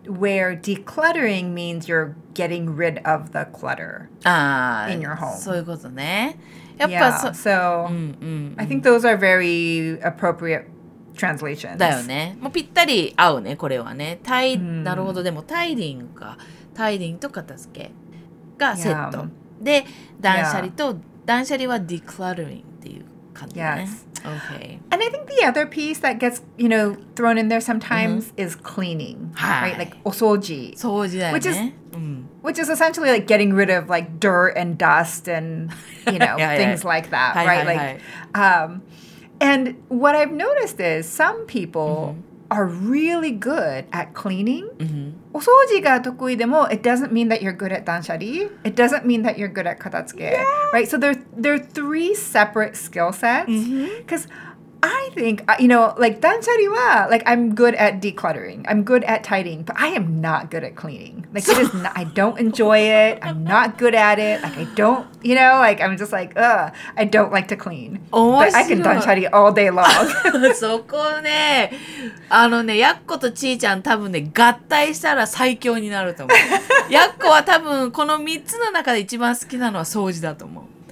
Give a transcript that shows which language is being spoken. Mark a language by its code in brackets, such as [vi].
[en] Where decluttering means you're getting rid of the clutter in your home. [ja] そういうことね。やっぱ [en] yeah, so、 [ja] うんうんうん、 [en] I think those are very appropriate translations. [ja] だよね。もうぴったり合うね、これはね。なるほど、でもタイディングか。タイディングと片付けがセット。 Yeah. で、断捨離と、yeah. 断捨離は decluttering っていう感じだね。 [en] Yes. Okay. And I think the other piece that gets, you know, thrown in there sometimes、mm-hmm. is cleaning. [ja] はい。 [en] Right? Like, お掃除。 [ja] 掃除だよね。 [en] Which is,、mm-hmm. Which is essentially like getting rid of like dirt and dust and, you know, yeah, things yeah. like that, right? Hi, hi, like, hi. And what I've noticed is some people、mm-hmm. are really good at cleaning. [ja] お掃除が得意でも [en] it doesn't mean that you're good at 断捨離. It doesn't mean that you're good at 片付け. Yeah. Right? So they're three separate skill sets. Because、 mm-hmm. I think, you know, like 断捨離は like I'm good at decluttering. I'm good at tidying. But I am not good at cleaning. Like, it is not, I don't enjoy it. I'm not good at it. Like, I don't, you know, like, I'm just like, ugh. I don't like to clean. But I can 断捨離 all day long. [ja] そこね、あのね、ヤッコとチーちゃん多分ね、合体したら最強になると思う。ヤッコは多分この3つの中で一番好きなのは掃除だと思う。